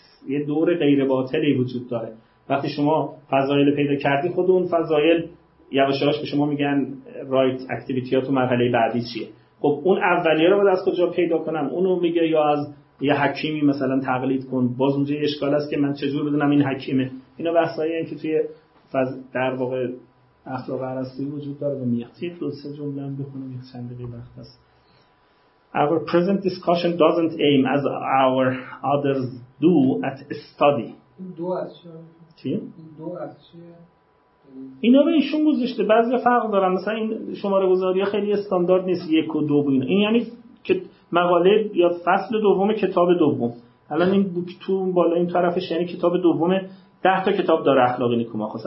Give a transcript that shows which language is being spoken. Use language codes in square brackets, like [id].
[fa] یه دور غیر باطلی وجود داره، وقتی شما فضایل پیدا کردی خود اون فضایل یواشاش به شما میگن رایت اکتیویتی ها تو مرحله بعدی چیه، خب اون اولیه رو باید از کجا پیدا کنم؟ اونو میگه یا از یه حکیمی مثلا تقلید کن، باز اونجا یه اشکال است که من چجور بدونم این حکیمه. اینا بحثایی هست که توی در واقع اخلاق ارسطویی وجود داره و میخواد دو سه جمله هم بخونم یک چند دقیقه وقت هست. [en] Our present discussion doesn't aim as our others do at study. [fa] دو از چیه؟ چی؟ دو از چیه؟ اینا به ایشون گذاشته، بعضی فرق دارن، مثلا این شماره گذاری خیلی استاندارد نیست، یک و دو و اینا. این یعنی که مقاله یا فصل دوم کتاب دوم. الان این تو بالا این طرفش یعنی کتاب دوم 10 تا کتاب داره اخلاق نیکوماخوس.